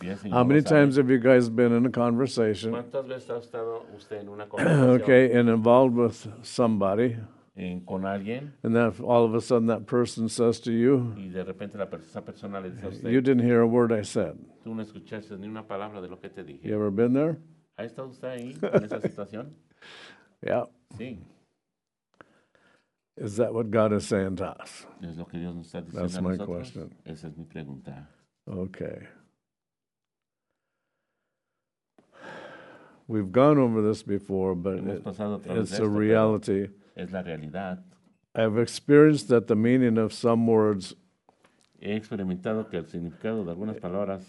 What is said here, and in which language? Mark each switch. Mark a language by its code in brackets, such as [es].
[en] How many times have you guys been in a conversation? Okay, and involved with somebody. [es] Con alguien, [en] and then all of a sudden that person says to you, [es] y de repente la esa persona le dice a usted, [en] you didn't hear a word I said. [es] Tú no escuchaste ni una palabra de lo que te dije. [en] You ever been there? [es] ¿Ha estado usted ahí, en esa situación? [en] Yeah. [es] Sí. [en] Is that what God is saying to us? [es] ¿Es lo que Dios nos está diciendo [en] That's [es] a [en] my [es] nosotros? [en] Question. [es] Esa es mi pregunta. [en] Okay. We've gone over this before, but it's a reality. [es] Es la realidad. [en] I've experienced that the meaning of some words [es] he experimentado que el significado de algunas palabras